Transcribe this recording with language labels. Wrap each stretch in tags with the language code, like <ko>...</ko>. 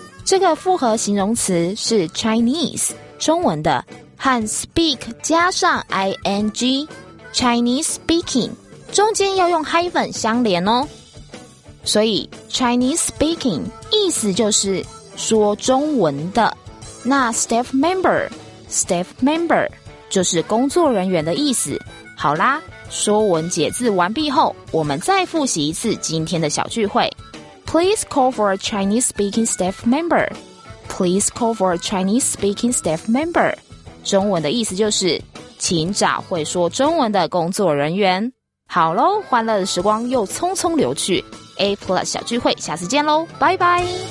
<zh>这个复合形容词是 Chinese 中文的和 speak 加上 ing Chinese speaking 中间要用 hyphen 相连哦，所以 Chinese speaking 意思就是说中文的，那 staff member staff member 就是工作人员的意思。好啦，说文解字完毕后，我们再复习一次今天的小聚会。</zh> <en>Please call for a Chinese speaking staff member. Please call for a Chinese speaking staff member.</en> <zh>中文的意思就是，请找会说中文的工作人员。好咯，欢乐的时光又匆匆流去。A Plus 小聚会，下次见咯，拜拜。</zh>